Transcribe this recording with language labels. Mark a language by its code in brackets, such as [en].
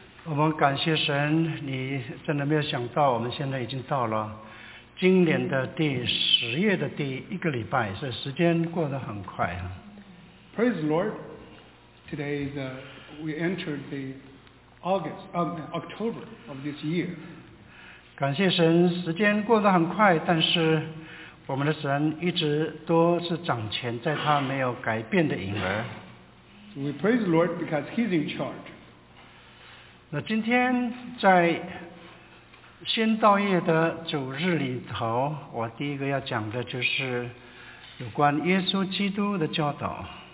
[zh] 我们感谢神，你真的没有想到，我们现在已经到了今年的第十月的第一个礼拜，所以时间过得很快啊。 [en] Praise the Lord. Today is we entered the October of this year. [zh] 感谢神，时间过得很快，但是我们的神一直都是掌权，在他没有改变的影儿。 [en] We praise the Lord because He's in charge. [zh] 那今天在先道业的主日里头，我第一个要讲的就是有关耶稣基督的教导。